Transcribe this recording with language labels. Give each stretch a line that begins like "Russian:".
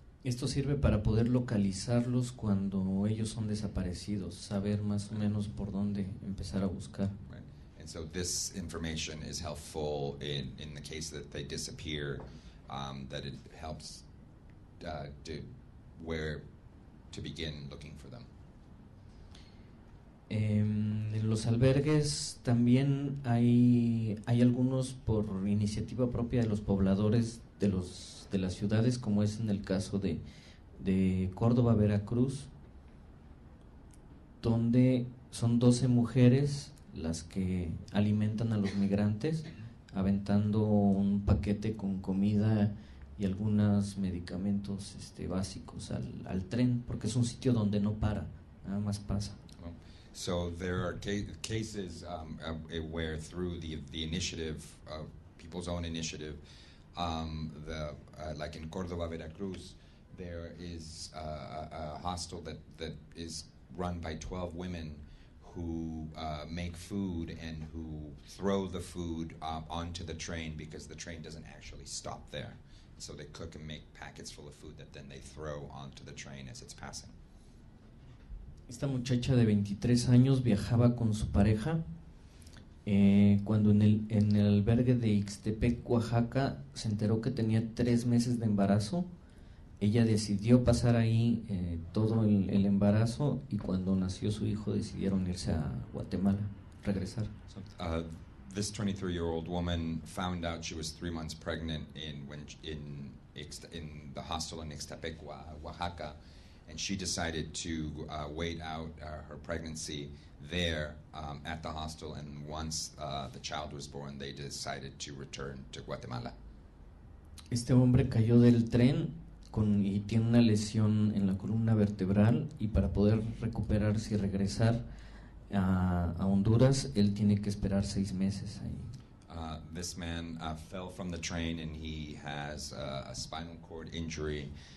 Spanish: Esto sirve para poder localizarlos cuando ellos son desaparecidos, saber más o menos por dónde empezar a buscar.
English: Right. And so this information is helpful in the case that they disappear, that it helps to where to begin looking for them.
Spanish: En los albergues también hay algunos por iniciativa propia de los pobladores de las ciudades, como es en el caso de Córdoba, Veracruz, donde son 12 mujeres las que alimentan a los migrantes, aventando un paquete con comida y algunos medicamentos básicos al tren, porque es un sitio donde no para, nada más pasa.
English: So there are cases where through the initiative of people's own initiative, like in Córdoba, Veracruz, there is a hostel that is run by 12 women who make food and who throw the food onto the train, because the train doesn't actually stop there. So they cook and make packets full of food that then they throw onto the train as it's passing.
Spanish: Esta muchacha de 23 años viajaba con su pareja cuando en el albergue de Ixtepec, Oaxaca, se enteró que tenía 3 meses de embarazo. Ella decidió pasar ahí todo el embarazo, y cuando nació su hijo decidieron irse a Guatemala, regresar.
English: This 23-year-old woman found out she was 3 months pregnant in the hostel in Ixtepec, Oaxaca. And she decided to wait out her pregnancy there at the hostel. And once the child was born, they decided to return to Guatemala.
Spanish: Este hombre cayó del tren y tiene una lesión en la columna vertebral. Y para poder recuperarse y regresar a Honduras, él tiene que esperar 6 meses ahí.
English: This man fell from the train and he has a spinal cord injury.